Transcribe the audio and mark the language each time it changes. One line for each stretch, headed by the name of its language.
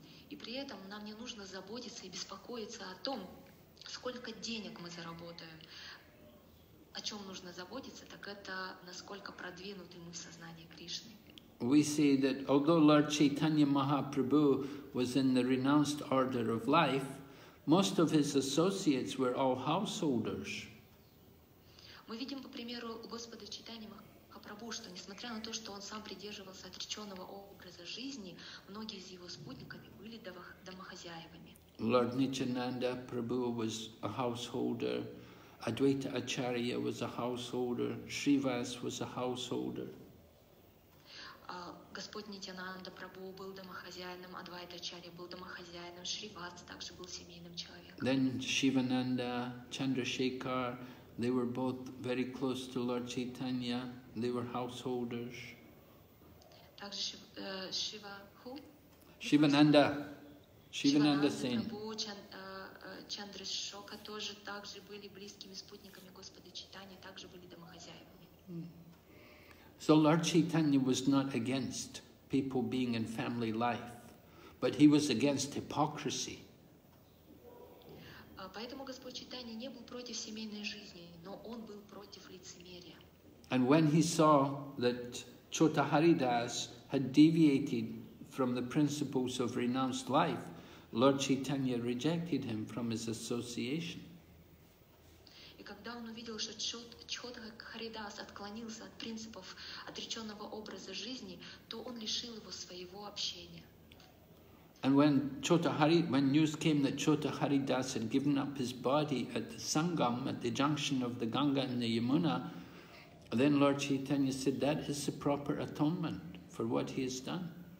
Russian: И при этом нам не нужно заботиться и беспокоиться о том, сколько денег мы заработаем. О чем нужно заботиться, так это насколько продвинуты мы в сознании Кришны.
English: We see that although Lord Chaitanya Mahaprabhu was in the renounced order of life, most of his associates were all householders.
Russian: Мы видим, по примеру, Господа Чайтаньи Махапрабху, что несмотря на то, что он сам придерживался отреченного образа жизни, многие из его спутников были домохозяевами.
English: Lord Nityananda Prabhu was a householder, Advaita Acharya was a householder, Srivas was a householder.
Russian: Господь Нитянанда Прабху был домохозяином, Адвайта Ачарья был домохозяином, Шривас также был семейным человеком.
English: Then Shivananda, Chandrasekhar, they were both very close to Lord Chaitanya, they were householders.
Russian: Также Шива,
English: who? Shivananda. Shivananda Sen.
Russian: Чандрашока тоже также были близкими спутниками Господа Чайтаньи, также были домохозяевами.
English: So Lord Chaitanya was not against people being in family life, but he was against hypocrisy.
Russian: Поэтому Господь Чайтанья не был против семейной жизни, но он был против лицемерия.
English: And when he saw that Chota Haridas had deviated from the principles of renounced life, Lord Chaitanya rejected him from his association.
Russian: И когда он увидел, что Чота Харидас отклонился от принципов отреченного образа жизни, то он лишил его своего общения.
English: And when news came that Chota Haridas had given up his body at the Sangam, at the junction of the Ganga and the Yamuna, then Lord Chaitanya said that is the proper atonement for what he has done.